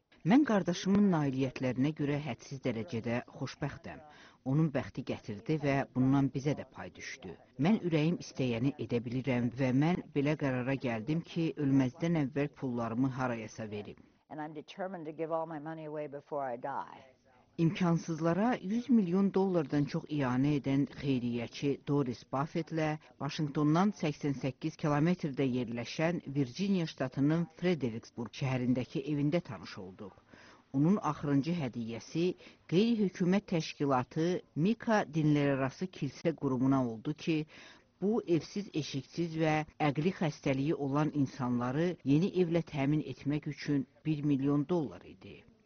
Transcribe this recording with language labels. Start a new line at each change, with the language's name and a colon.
Azerbaijani: Mən qardaşımın nailiyyətlərinə görə hədsiz dərəcədə xoşbəxtəm. Onun bəxti gətirdi və bundan bizə də pay düşdü. Mən ürəyim istəyəni edə bilirəm və mən belə qərara gəldim ki, ölməzdən əvvəl pullarımı harayasa verim.
English: And I'm determined to give all my money away before I die.
Azerbaijani: İmkansızlara 100 milyon dollardan çox iyanə edən xeyriyyəçi Doris Buffettlə Vaşinqtondan 88 kilometrdə yerləşən Virginia ştatının Fredericksburg şəhərindəki evində tanış olduq. Onun axırıncı hədiyyəsi qeyri-hökumət təşkilatı Mika Dinlərarası Kilsə qurumuna oldu ki, bu evsiz, eşiksiz və əqli xəstəliyi olan insanları yeni evlə təmin etmək üçün 1 milyon dollar idi.